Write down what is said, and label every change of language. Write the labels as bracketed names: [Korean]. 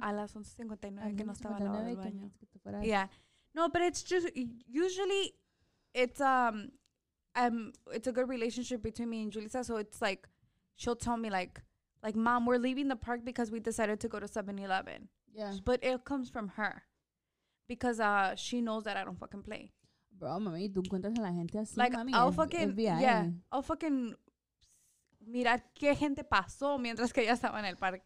[Spanish] A las 11:59 que no estaba lavando el baño. [English] Yeah, no, but it's just usually it's a good relationship between me and Julissa. So it's like she'll tell me like. Like, mom, we're leaving the park because we decided to go to 7-Eleven. Yeah. But it comes from her. Because she knows that I don't fucking play. [Spanish] Bro, mami, ¿tú encuentras a la gente así, [English] like, [Spanish] mami? [English] I'll fucking, I'll fucking [Spanish] mirar qué gente pasó mientras que ella estaba en el parque.